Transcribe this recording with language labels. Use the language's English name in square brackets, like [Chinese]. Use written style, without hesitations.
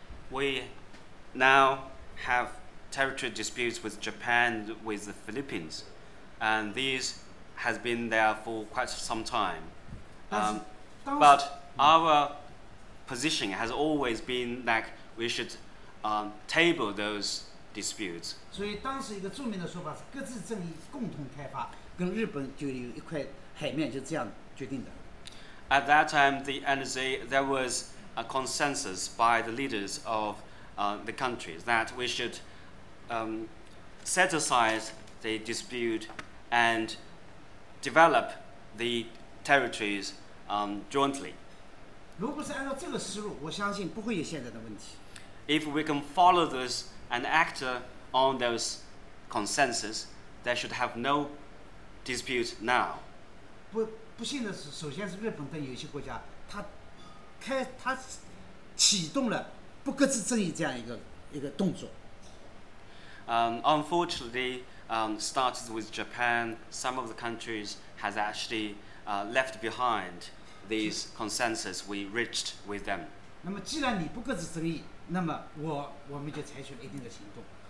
[English] We now have territory disputes with Japan, with the Philippines, and these has been there for quite some time. But our position has always been that we should table those disputes. [Chinese] 所以当时一个著名的说法是各自正义共同开发，跟日本就有一块海面就这样决定的。 [English] At that time, the NSA, there was a consensus by the leaders of the countries that we should set aside the dispute and develop the territories jointly. If we can follow this and act on those consensus, they should have no dispute now. [Chinese] 不幸的是，首先是日本跟有些国家，他启动了不搁置争议这样一个动作。 [English] Unfortunately, started with Japan. Some of the countries has actually left behind these consensus we reached with them. [Chinese] 那么既然你不搁置争议，那么我们就采取了一定的行动。